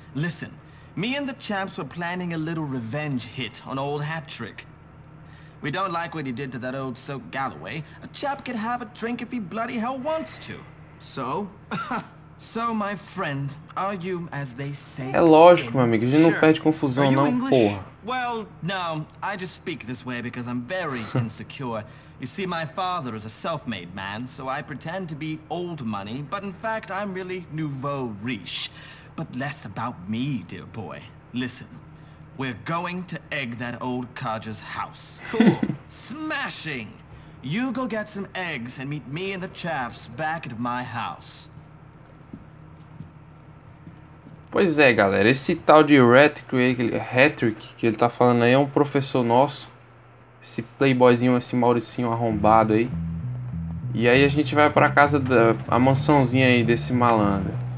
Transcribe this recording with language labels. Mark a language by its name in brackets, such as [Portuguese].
[English] Listen, me and the champs were planning a little revenge hit on old Hattrick. We don't like what he did to that old Soak Galloway. A chap could have a drink if he bloody hell wants to. So? So, my friend, are you, as they say... [Portuguese] É lógico, meu amigo, a gente não pede confusão, não, porra. [English] Well, no, I just speak this way because I'm very insecure. You see, my father is a self-made man, so I pretend to be old money, but in fact, I'm really nouveau riche. But less about me, dear boy. Listen, we're going to egg that old codger's house. Cool. Smashing! You go get some eggs and meet me and the chaps back at my house. [Portuguese] Pois é, galera, esse tal de Hattrick que ele tá falando aí é um professor nosso. Esse playboyzinho, esse Mauricinho arrombado aí. E aí a gente vai pra casa, da a mansãozinha aí desse malandro.